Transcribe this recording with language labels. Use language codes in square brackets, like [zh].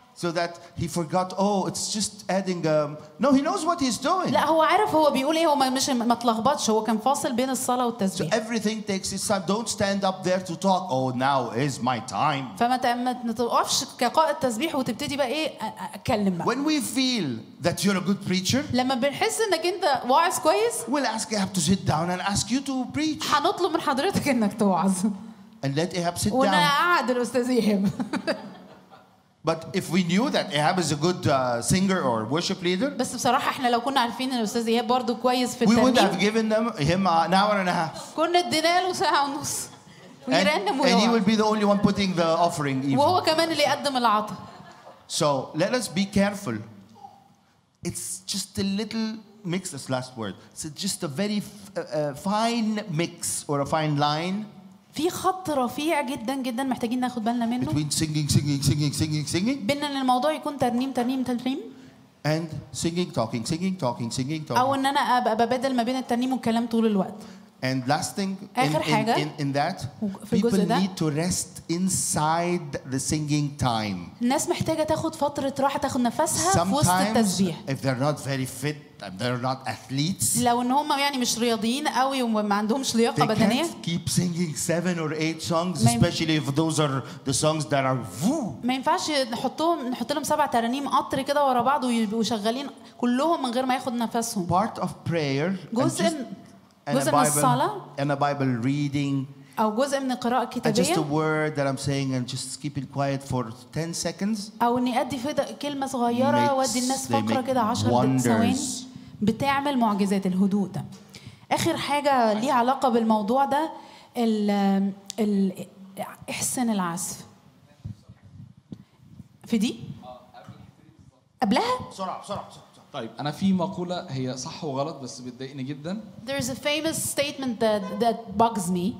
[en] So that he forgot, oh, it's just adding No, he knows what he's doing. [ar] لا هو عارف هو بيقول ايه هو مش متلخبطش هو كان فاصل بين الصلاه والتسبيح. [en] So everything takes its time. Don't stand up there to talk. Oh, now is my time. [ar] فما تقفش كقائد تسبيح وتبتدي بقى ايه اتكلم بقى. [en] When we feel that you're a good preacher. [ar] لما بنحس انك انت واعظ كويس. [en] We'll ask Ahab to sit down and ask you to preach. [ar] هنطلب من حضرتك انك توعظ. [en] And let Ahab sit [ar] down. ونقعد الاستاذ إيهاب. [en] But if we knew that Ahab is a good singer or worship leader, [ar] بس بصراحة إحنا لو كنا عارفين إن الأستاذ إيهاب برضو كويس في [en] التنين, we would have given him an hour and a half. [ar] كنا ادينا له ساعة ونص. [en] And he would be the only one putting the offering. [ar] وهو كمان اللي يقدم العطاء. [en] So let us be careful. It's just a little mix. This last word. It's just a very fine mix or a fine line. [ar] في خط رفيع جدا جدا محتاجين ناخد بالنا منه. [en] Between singing. [ar] بين ان الموضوع يكون ترنيم. [en] And singing, talking. [ar] أو إن أنا أبقى ببدل ما بين الترنيم والكلام طول الوقت. [en] And last thing in that, people need to rest inside the singing time. [ar] الناس محتاجة تاخد فترة راحة تاخد نفسها في وسط التسبيح. [en] If they're not very fit, they're not athletes. [ar] لو إن هم يعني مش رياضيين قوي وما عندهمش لياقة بدنية. [en] They can't keep singing 7 or 8 songs, especially if those are the songs that are woo. [ar] ما ينفعش نحط لهم 7 ترانيم قطر كده ورا بعض وشغالين كلهم من غير ما ياخد نفسهم. [en] Part of prayer. [ar] جزء [en] And a Bible reading. [ar] أو جزء من القراءة الكتابية. [en] And just a word that I'm saying and just keep it quiet for 10 seconds. [ar] أو إني أدي في كلمة صغيرة وأدي الناس فقرة كده 10 ثواني. بتعمل معجزات الهدوء ده. آخر حاجة ليه علاقة بالموضوع ده ال إحسن العزف. في دي؟ قبلها؟ بسرعة بسرعة بسرعة. طيب انا في مقوله هي صح وغلط بس بتضايقني جدا. [en] There is a famous statement that bugs me.